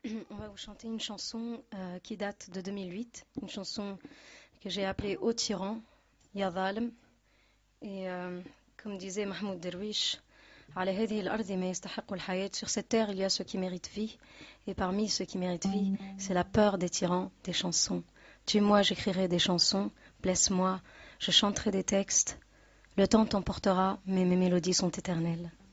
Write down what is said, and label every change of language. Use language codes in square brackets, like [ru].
[fr] On va vous chanter une chanson qui date de 2008, une chanson que j'ai appelée Au tyran, Yadhalem. Et comme disait Mahmoud Derwish, [ar] على هذه الأرض ما يستحق الحياة. [fr] Sur cette terre, il y a ce qui mérite vie. Et parmi ce qui mérite vie, c'est la peur des tyrans, des chansons. Tue-moi, j'écrirai des chansons. Blesse-moi, je chanterai des textes. Le temps t'emportera, mais mes mélodies sont éternelles.